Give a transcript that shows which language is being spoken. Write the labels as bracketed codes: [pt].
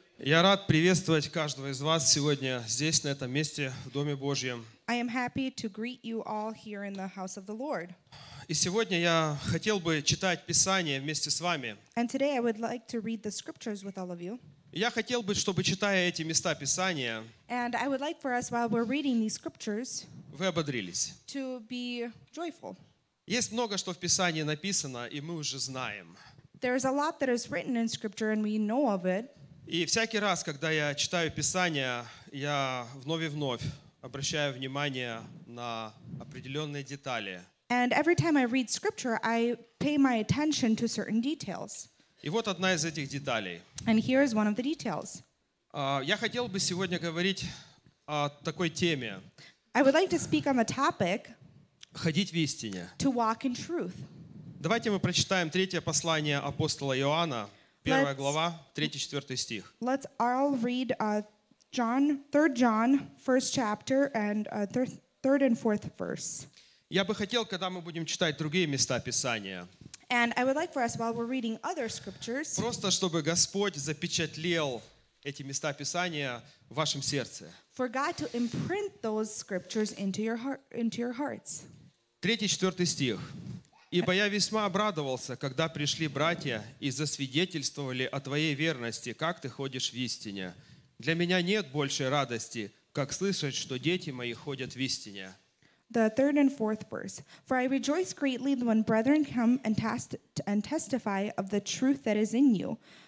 [ru] Я рад приветствовать каждого из вас сегодня здесь, на этом месте, в Доме Божьем. [en] I am happy to greet you all here in the house of the Lord. [ru] И сегодня я хотел бы читать Писание вместе с вами. [en] And today I would like to read the scriptures with all of you. [ru] Я хотел бы, чтобы, читая эти места Писания, [en] And I would like for us, while we're reading these scriptures, [ru] вы ободрились. [en] To be joyful. [ru] Есть много, что в Писании написано, и мы уже знаем. [en] There is a lot that is written in Scripture, and we know of it. [ru] И всякий раз, когда я читаю Писание, я вновь и вновь обращаю внимание на определенные детали. [en] And every time I read scripture, I pay my attention to certain details. [ru] И вот одна из этих деталей. [en] And here is one of the details. [ru] Я хотел бы сегодня говорить о такой теме. [en] I would like to speak on the topic. [ru] Ходить в истине. [en] To walk in truth. [ru] Давайте мы прочитаем третье послание апостола Иоанна, первая глава, 3-4 стих. [en] Let's all read John, 3 John, 1 chapter, and 3rd and 4th verse. [ru] Я бы хотел, когда мы будем читать другие места Писания, [en] and I would like for us, while we're reading other scriptures, [ru] просто чтобы Господь запечатлел эти места Писания в вашем сердце. [en] For God to imprint those scriptures into your hearts. [ru] 3-4 стих. «Ибо я весьма обрадовался, когда пришли братья и засвидетельствовали о твоей верности, как ты ходишь в истине. Для меня нет большей радости, как слышать, что дети мои ходят в истине». [en] The third and fourth verse. «For I rejoice greatly when brethren come and testify of the truth that is in you.